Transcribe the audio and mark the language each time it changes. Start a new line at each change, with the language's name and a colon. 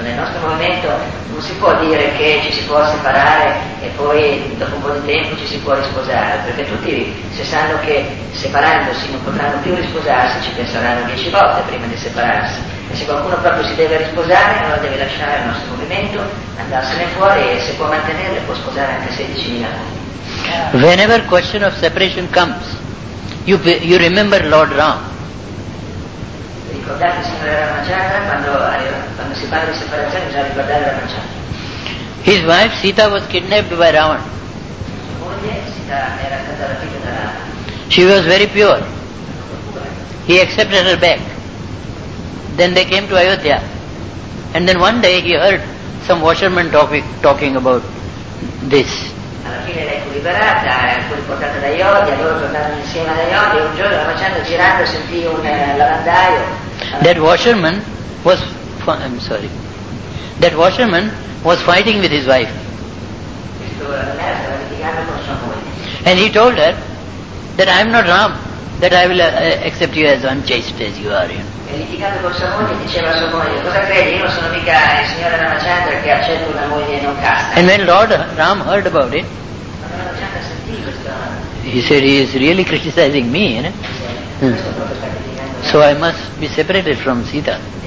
Italian: Nel nostro movimento non si può dire che ci si può separare e poi dopo un po' di tempo ci si può risposare, perché tutti se sanno che separandosi non potranno più risposarsi, ci penseranno 10 volte prima di separarsi. E se qualcuno proprio si deve risposare, allora deve lasciare il nostro movimento, andarsene fuori e se può mantenerle può sposare anche 16.000 anni.
English: Whenever question of separation comes, you remember Lord Ram.
Italian: Ricordate il signore Ramachandra, quando si parla di separazione bisogna ricordare Ramachandra.
English: His wife Sita was kidnapped by Ravana.
Italian: Sua moglie Sita era stata rapita da Ravana.
English: She was very pure. He accepted her back. Then they came to Ayodhya. And then one day he heard some washerman talking about this.
Italian: Alla fine lei fu liberata, fu riportata da Ayodhya, loro tornarono insieme ad Ayodhya, un giorno facendo girando sentì un lavandaio.
English: That washerman was fighting with his wife.
Italian: Questo lavandaio stava litigando con sua moglie.
English: And he told her that I am not Ram, that I will accept you as unchaste as you are. You know.
Italian: E litigando con sua moglie diceva a sua moglie, cosa credi? Io non sono mica il signore Ramachandra che accetto una moglie non casta.
English: And when Lord Ram heard about it,
Italian: Ramachandra sentì questo.
English: He said he is really criticizing me, you know. So I must be separated from Sita.